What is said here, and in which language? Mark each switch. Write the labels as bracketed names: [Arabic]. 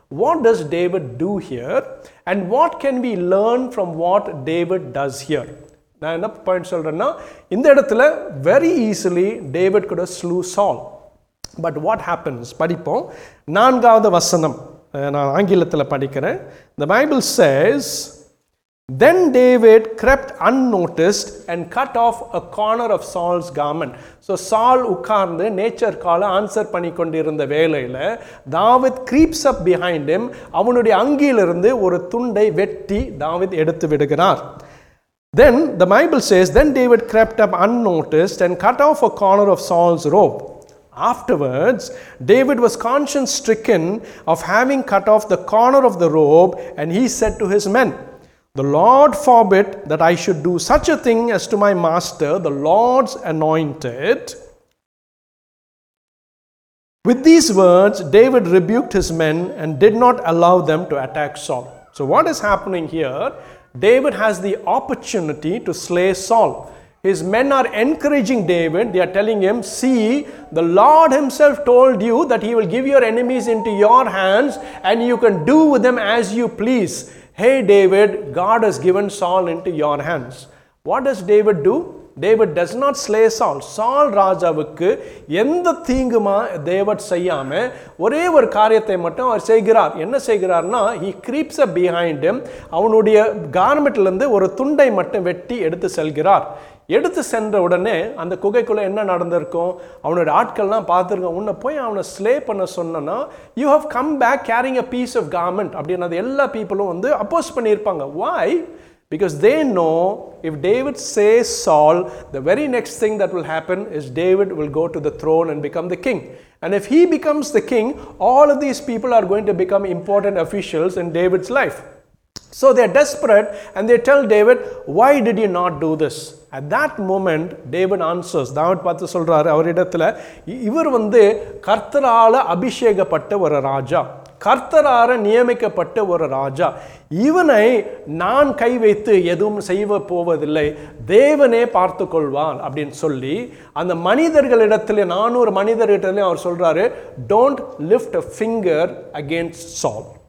[English] What does David do here and what can we learn from what David does here. [Tamil] நான் என்ன point சொல்கிறேன்னா, இந்த இடத்துல [English] very easily [Tamil] David கூட [English] Slew Saul. But what happens [Tamil] படிப்போம். 4வது வசனம் நான் ஆங்கிலத்தில் படிக்கிறேன். [English] The Bible says, Then David crept unnoticed and cut off a corner of Saul's garment. [Tamil] So Saul உட்கார்ந்து நேச்சர் கால ஆன்சர் பண்ணி கொண்டிருந்த வேலையில் David [English] creeps up behind him. [Tamil] அவனுடைய அங்கியிலிருந்து ஒரு துண்டை வெட்டி தாவீத் எடுத்து விடுகிறார். [English] Then the Bible says, Then David crept up unnoticed and cut off a corner of Saul's robe. Afterwards, David was conscience-stricken of having cut off the corner of the robe, and he said to his men, The Lord forbid that I should do such a thing as to my master, the Lord's anointed. With these words, David rebuked his men and did not allow them to attack Saul. So what is happening here? David has the opportunity to slay Saul. His men are encouraging David. They are telling him, see, the Lord himself told you that he will give your enemies into your hands and you can do with them as you please. Hey, David, God has given Saul into your hands. What does David do? David does not slay Saul. [Tamil] Saul ராஜாவுக்கு எந்த தீங்குமா தேவன் செய்யாம ஒரே ஒரு காரியத்தை மட்டும் அவர் செய்கிறார். என்ன செய்கிறார்னா, [English] he creeps up behind him, [Tamil] அவனுடைய கார்மெண்ட்லேருந்து ஒரு துண்டை மட்டும் வெட்டி எடுத்து செல்கிறார். எடுத்து சென்ற உடனே அந்த குகைக்குள்ளே என்ன நடந்திருக்கும், அவனுடைய ஆட்கள்லாம் பார்த்துருக்கோம், உன்னை போய் அவனை ஸ்லே பண்ண சொன்னா, [English] you have come back carrying a piece of garment [Tamil] அப்படின்னு அது எல்லா பீப்புளும் வந்து அப்போஸ் பண்ணியிருப்பாங்க. [English] Why? Because they know if David says Saul, the very next thing that will happen is David will go to the throne and become the king. And if he becomes the king, all of these people are going to become important officials in David's life. So they are desperate and they tell David, why did you not do this? At that moment, David answers. [Tamil] David பார்த்து சொல்றாரு, அவரிடத்துல இவர் வந்து கர்த்தரால அபிஷேகப்பட்ட ஒரு ராஜா, கர்த்தரார நியமிக்கப்பட்ட ஒரு ராஜா, இவனை நான் கை வைத்து எதுவும் செய்ய போவதில்லை, தேவனே பார்த்து கொள்வான் அப்படின்னு சொல்லி அந்த மனிதர்களிடத்துல 400 மனிதர்களிடத்துலையும் அவர் சொல்றாரு, [English] Don't lift a finger against Saul.